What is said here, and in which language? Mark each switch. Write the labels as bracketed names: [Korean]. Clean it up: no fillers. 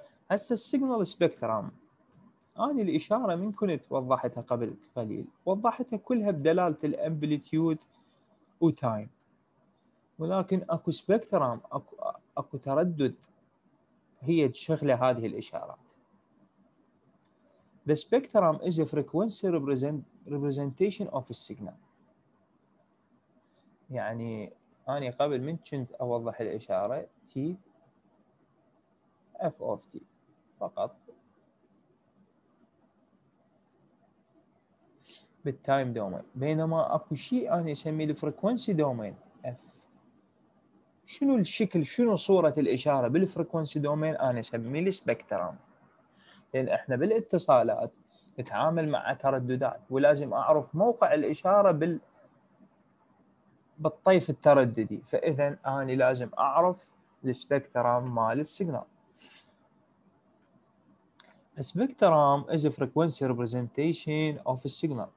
[Arabic] هسه السيجنال سبيكترام، أنا الإشارة من كنت وضحتها قبل قليل، وضحتها كلها بدلالة الأمبليتيود وتايم، ولكن أكو سبيكترام، أكو تردد هي تشغل هذه الإشارات. [English] The spectrum is a frequency representation of a signal. [Arabic] يعني أنا قبل من كنت أوضح الإشارة T F of T فقط بالتايم دومين، بينما اكو شيء انا اسميه الفريكونسي دومين F. شنو الشكل، شنو صورة الاشارة بالفريكونسي دومين؟ انا اسميه السبكترام، لان احنا بالاتصالات نتعامل مع ترددات، ولازم اعرف موقع الاشارة بالطيف الترددي. فاذا انا لازم اعرف السبكترام مال السيجنال. [English] spectrum is a frequency representation of a signal.